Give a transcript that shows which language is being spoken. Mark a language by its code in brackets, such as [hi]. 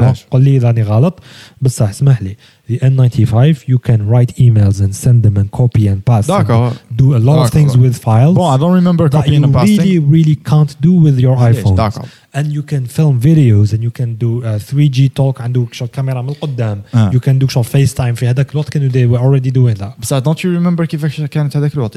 [ar] قل لي إذاني غلط, بس اسمح لي. [en] The N95, you can write emails and send them and copy and paste. [fr] D'accord. [en] Do a lot of things with files. [fr] Bon, [en] I don't remember copying and pasting. That you really, really can't do with your iPhone. And you can film videos and you can do 3G talk. And do [ar] شو كاميرا من القدام. [en] You can do [ar] شو [en] FaceTime. [ar] في هذاك الوقت كانوا [en] they were already doing that. [ar] بس [en] don't you remember [ar] كيف كانت هذاك الوقت?